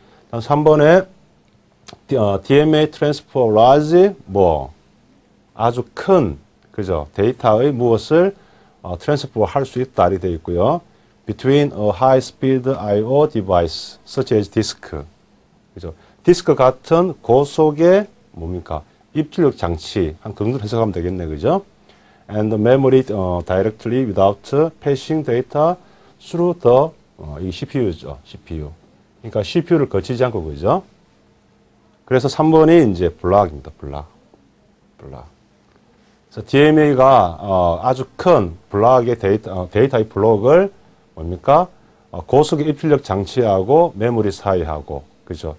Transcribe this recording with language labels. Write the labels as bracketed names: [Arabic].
[Korean] 다음 3번에 DMA [English] transfer large [Korean] 뭐 아주 큰 그죠? 데이터의 무엇을 트랜스포 할 수 있다 이렇게 되어 있고요. [English] between a high speed IO device such as disk. [Korean] 그죠? 디스크 같은 고속의 뭡니까? 입출력 장치. 한 그 정도 해석하면 되겠네. 그죠? [English] and the memory directly without passing data through the CPU죠. [Korean] CPU. 그러니까 CPU를 거치지 않고 그죠? 그래서 3번이 이제 블록입니다. 블록. 블록. 그래서 DMA가 아주 큰 블록의 데이터의 블록을 뭡니까? 고속의 입출력 장치하고 메모리 사이하고 그죠?